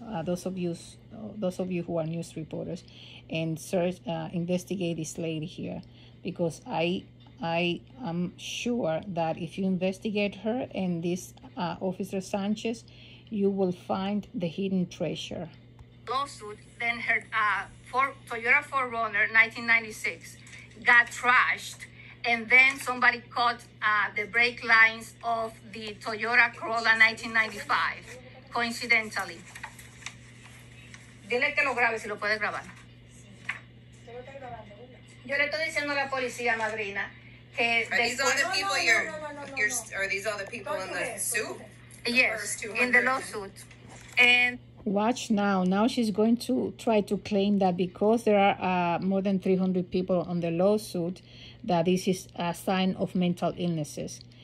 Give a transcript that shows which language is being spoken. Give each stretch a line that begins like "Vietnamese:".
English: Those of you who are news reporters, and search, investigate this lady here, because I am sure that if you investigate her and this Officer Sanchez, you will find the hidden treasure. Lawsuit, then her Toyota 4Runner 1996 got trashed, and then somebody caught the brake lines of the Toyota Corolla 1995, coincidentally.
Spanish: Dile que lo grabe, si lo puedes grabar. Yo le estoy diciendo a la policía, madrina, que...
English: Are these all the people in the suit? Yes, in the lawsuit. Watch now. Now she's going to try to claim that because there are more than 300 people on the lawsuit, that this is a sign of mental illnesses.